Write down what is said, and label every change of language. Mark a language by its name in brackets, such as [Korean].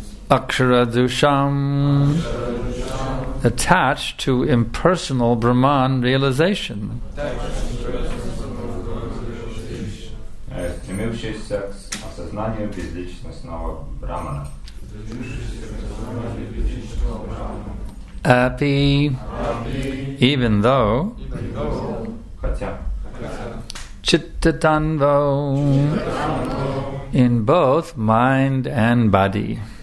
[English] Akshara Dusham attached to impersonal Brahman realization. [Russian] движущийся к осознанию безличностного Брахмана. [English] Happy, even though, chittatanvo, in both mind and body.